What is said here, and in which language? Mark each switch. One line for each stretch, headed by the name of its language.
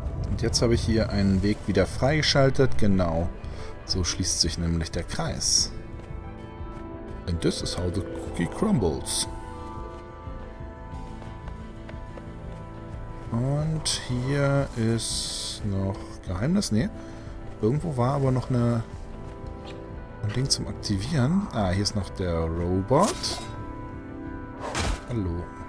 German: Und jetzt habe ich hier einen Weg wieder freigeschaltet. Genau, so schließt sich nämlich der Kreis.
English: And this is how the cookie crumbles.
German: Und hier ist noch Geheimnis. Nee. Irgendwo war aber noch eine, ein Ding zum Aktivieren. Ah, hier ist noch der Robot. Hallo.